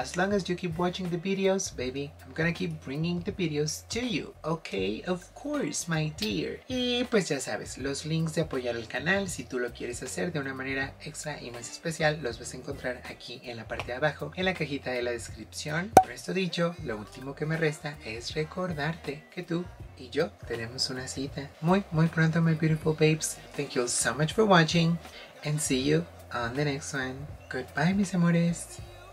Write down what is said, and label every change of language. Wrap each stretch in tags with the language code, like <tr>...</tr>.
<en>As long as you keep watching the videos, baby, I'm gonna keep bringing the videos to you, okay? Of course, my dear.</en> <es>Y pues ya sabes, los links de apoyar al canal, si tú lo quieres hacer de una manera extra y más especial, los vas a encontrar aquí en la parte de abajo, en la cajita de la descripción. Por esto dicho, lo último que me resta es recordarte que tú y yo tenemos una cita muy, muy pronto,</es> <en>my beautiful babes. Thank you so much for watching and see you on the next one. Goodbye,</en> <es>mis amores.</es>